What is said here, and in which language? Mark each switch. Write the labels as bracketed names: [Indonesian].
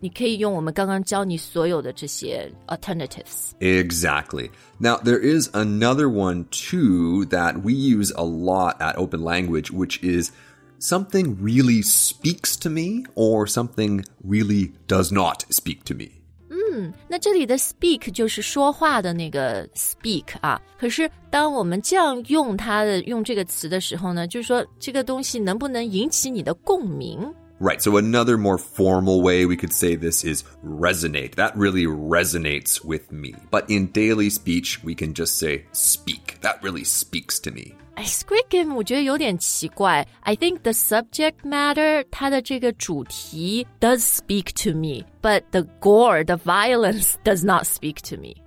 [Chinese] 你可以用我们刚刚教你所有的这些 alternatives [English] Exactly Now there is another one too that we use a lot at Open Language which is something really speaks to me or something really does not speak to me [Chinese] 那这里的 speak 就是说话的那个 speak 啊可是当我们这样用它的用这个词的时候呢就是说这个东西能不能引起你的共鸣 [English] Right, so another more formal way we could say this is resonate. That really resonates with me. But in daily speech, we can just say speak. That really speaks to me. Squid Game [Chinese] 我觉得有点奇怪 [English] I think the subject matter [Chinese] 它的这个主题 [English] does speak to me But the gore, the violence does not speak to me